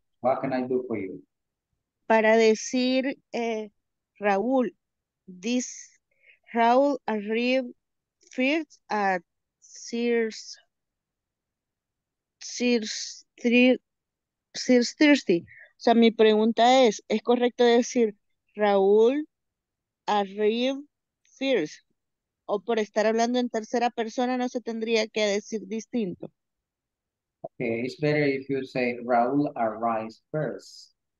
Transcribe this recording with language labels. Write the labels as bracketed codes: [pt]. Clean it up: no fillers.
[en] What can I do for you? [es] Para decir [en] Raúl, this Raúl arrived first at Sears Thursday. [es] O sea, mi pregunta ¿es correcto decir [en] Raúl arrived first? [es] O por estar hablando en tercera persona no se tendría que decir distinto. [en] Okay, it's better if you say Raúl arrives first.